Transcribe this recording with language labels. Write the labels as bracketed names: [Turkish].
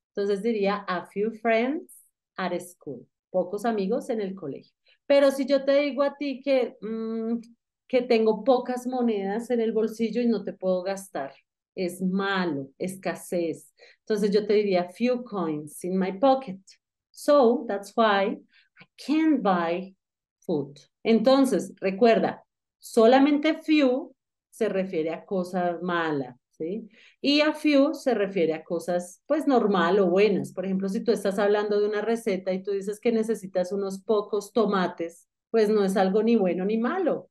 [Spanish] Entonces diría, [English] a few friends at school. [Spanish] Pocos amigos en el colegio. Pero si yo te digo a ti que tengo pocas monedas en el bolsillo y no te puedo gastar, es malo, escasez. Entonces yo te diría, [English] few coins in my pocket. So that's why I can't buy food. [Spanish] Entonces, recuerda, solamente few se refiere a cosas malas, ¿sí? Y a few se refiere a cosas, pues, normal o buenas. Por ejemplo, si tú estás hablando de una receta y tú dices que necesitas unos pocos tomates, pues no es algo ni bueno ni malo.